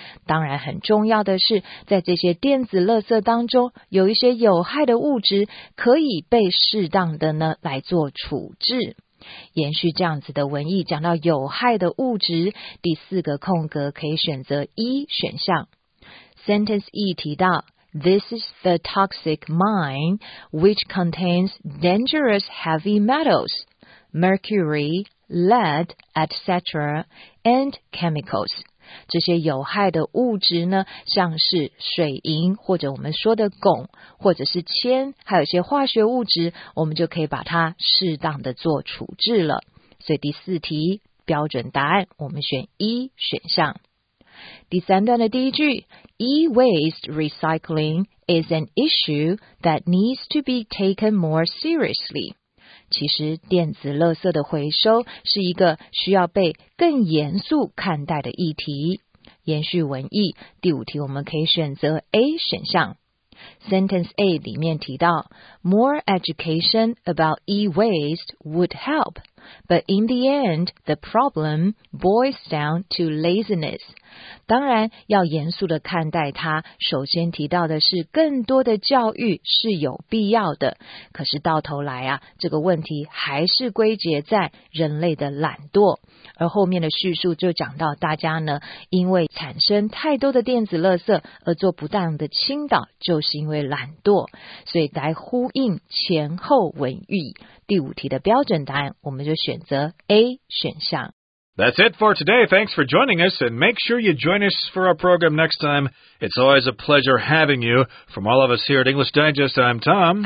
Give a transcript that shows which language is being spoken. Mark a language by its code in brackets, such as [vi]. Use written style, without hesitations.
[zh] 当然很重要的是，在这些电子垃圾当中，有一些有害的物质可以被适当的呢来做处置。延续这样子的文意，讲到有害的物质，第四个空格可以选择 E 选项。 [en] Sentence E [zh] 提到 [en] ,This is the toxic mine which contains dangerous heavy metals, mercury, lead, etc. and chemicals. [zh] 这些有害的物质呢，像是水银或者我们说的汞或者是铅，还有一些化学物质，我们就可以把它适当的做处置了。所以第四题标准答案我们选一选项。第三段的第一句 [en] E-waste recycling is an issue that needs to be taken more seriously。 [zh] 其实电子垃圾的回收是一个需要被更严肃看待的议题。延续文意，第五题我们可以选择 A 选项。 [en] Sentence A [zh] 里面提到 [en] ,More education about e-waste would help, but in the end, the problem boils down to laziness. [zh] 当然要严肃地看待它，首先提到的是更多的教育是有必要的，可是到头来啊，这个问题还是归结在人类的懒惰。而后面的叙述就讲到大家呢，因为产生太多的电子垃圾而做不当的倾倒，就是因为懒惰，所以来呼应前后文意。第五题的标准答案，我们就选择 A 选项。 [en] That's it for today. Thanks for joining us, and make sure you join us for our program next time. It's always a pleasure having you. From all of us here at English Digest, I'm Tom.